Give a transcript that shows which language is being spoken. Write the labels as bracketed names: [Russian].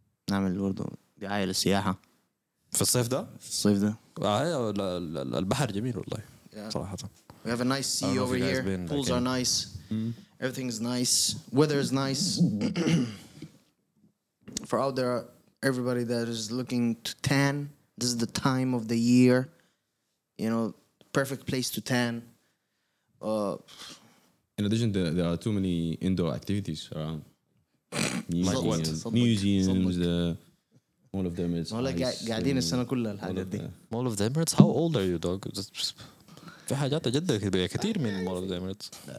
[Arabic] نعمل برضو دعاية للسياحة. في الصيف ده؟ في الصيف ده. البحر جميل والله. Yeah. صراحة. [English] We have a nice sea over here. Pools are nice. Everything is nice. Weather is nice. For out there, everybody that is looking to tan, this is the time of the year. You know, perfect place to tan. In addition, there are too many indoor activities around. Like what? Museums. All of them is [Arabic] قاعدين السنة كلها الحاجات دي. [English] Mall of the Emirates. How old are you, dog? [Arabic] في حاجات جدا كتير من Mall of the Emirates.